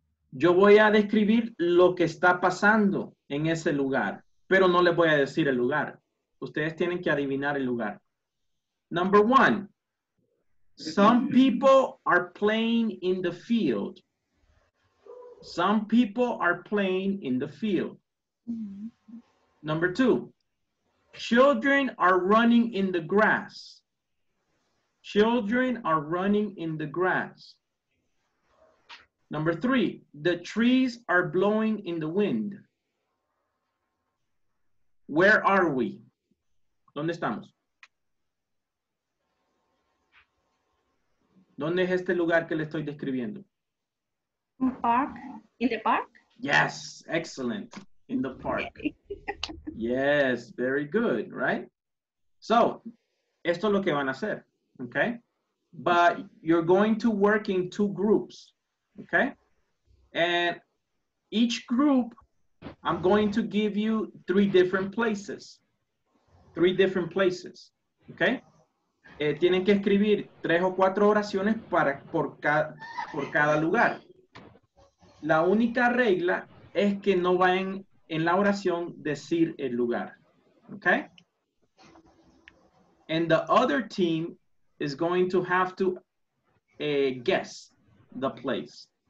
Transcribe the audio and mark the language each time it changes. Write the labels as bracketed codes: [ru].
[es] Yo voy a describir lo que está pasando en ese lugar, pero no les voy a decir el lugar. Ustedes tienen que adivinar el lugar. [en] Number one, some people are playing in the field. Some people are playing in the field. Number two, children are running in the grass. Children are running in the grass. Number three, the trees are blowing in the wind. Where are we? [es] ¿Dónde estamos? ¿Dónde es este lugar que le estoy describiendo? [en] Park. In the park? Yes, excellent. In the park. Yes, very good, right? [es] So, esto es lo que van a hacer, okay? [en] But you're going to work in 2 groups, okay? And each group, I'm going to give you 3 different places. 3 different places, okay? [es] Tienen que escribir 3 o 4 oraciones por cada lugar. La única regla es que no vayan en la oración decir el lugar, okay? [en] And the other team is going to have to guess the place.